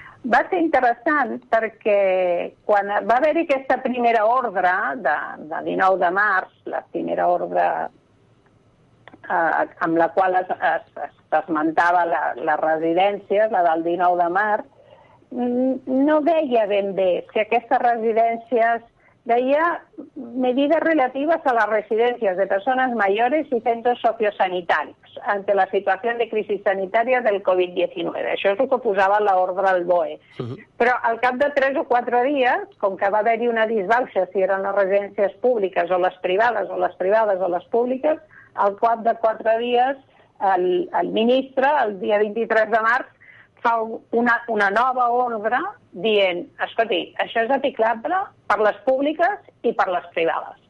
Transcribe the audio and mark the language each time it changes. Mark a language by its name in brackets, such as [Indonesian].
[Catalan] Va ser interessant perquè quan va haver-hi aquesta primera ordre de 19 de març, la primera ordre amb la qual es desmentava la residència, la del 19 de març, no deia ben bé si aquestes residències... Deia [Spanish] medidas relativas a las residencias de personas mayores y centros sociosanitarios ante la situación de crisis sanitaria del COVID-19. [Catalan] Això és el que posava l'ordre al BOE. Però al cap de 3 o 4 dies, com que va haver-hi una disbauxa si eren les residències públiques o les privades o les privades o les públiques, al cap de 4 dies, el ministre, el dia 23 de març, fa una nova ordre dient, escolti, això és aplicable per les públiques i per les privades.